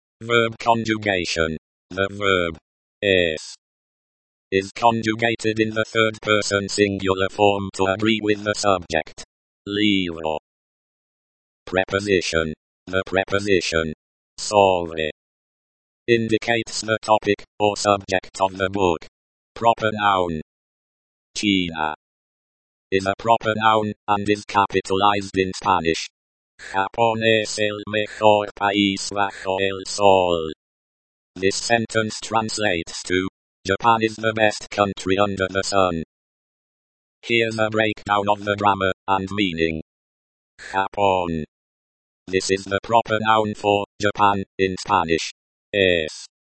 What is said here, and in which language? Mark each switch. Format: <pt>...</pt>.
<en>Verb conjugation. The verb, es, is conjugated in the third person singular form to agree with the subject, libro. Preposition. The preposition, sobre, indicates the topic or subject of the book. Proper noun. China is a proper noun and is capitalized in Spanish.</en> <es>Japón es el mejor país bajo el sol.</es> <en>This sentence translates to Japan is the best country under the sun. Here's a breakdown of the grammar and meaning. Japón. This is the proper noun for Japan in Spanish. Es.</en>